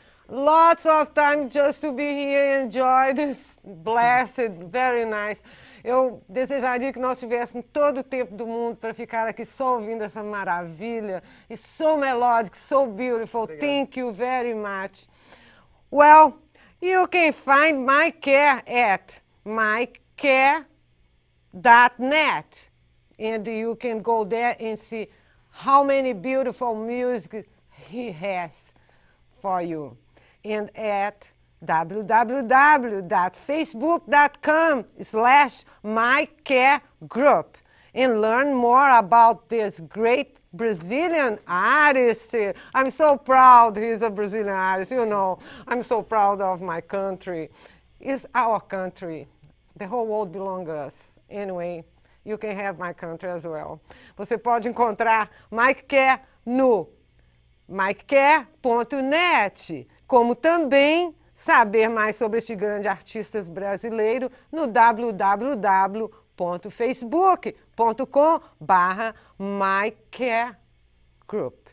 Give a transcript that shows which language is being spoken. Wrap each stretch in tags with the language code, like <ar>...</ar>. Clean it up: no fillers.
<en>Lots of time just to be here and enjoy this blessed, very nice.</en> <pt>Eu desejaria que nós tivéssemos todo o tempo do mundo para ficar aqui só ouvindo essa maravilha.</pt> <en>E so melodic, so beautiful.</en> <pt>Obrigado.</pt> <en>Thank you very much. Well, you can find my care at mycare.net. And you can go there and see how many beautiful music he has for you. And at www.facebook.com/mycaregroup and learn more about this great Brazilian artist. I'm so proud he's a Brazilian artist, you know. I'm so proud of my country. It's our country. The whole world belongs to us. Anyway, you can have my country as well.</en> <pt>Você pode encontrar Mike Care no mikecare.net, como também saber mais sobre este grande artista brasileiro no www.facebook.com/mikecaregroup.</pt>